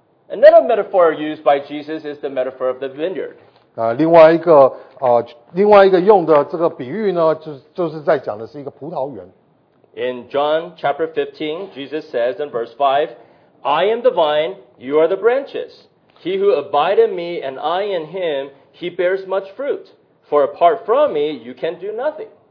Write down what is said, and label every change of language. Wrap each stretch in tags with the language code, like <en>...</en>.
<en>Another metaphor used by Jesus is the metaphor of the vineyard.</en> <zh>另外一个用的这个比喻呢, 就是在讲的是一个葡萄园。</zh> <en>In John chapter 15, Jesus says in verse 5, I am the vine, you are the branches. He who abides in me and I in him, he bears much fruit. For apart from me, you can do nothing.</en>